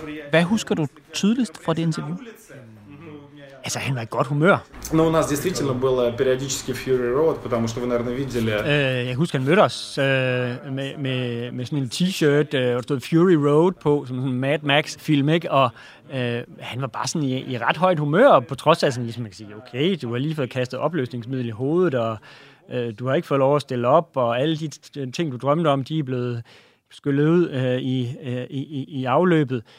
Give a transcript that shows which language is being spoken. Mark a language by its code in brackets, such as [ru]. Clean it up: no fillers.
[da] Hvad husker du tydeligst fra det interview? Altså, han var i godt humør. [ru] Но у нас действительно было периодически Fury Road, потому что вы, наверное, видели. [da] Jeg husker, han mødte os med sådan en t-shirt, der stod Fury Road på, som sådan en Mad Max-film, ikke? Og han var bare sådan i ret højt humør, på trods af, sådan, ligesom man kan sige, okay, du har lige fået kastet opløsningsmiddel i hovedet, og du har ikke fået lov at stille op, og alle de ting, du drømte om, de er blevet skyllet ud i afløbet.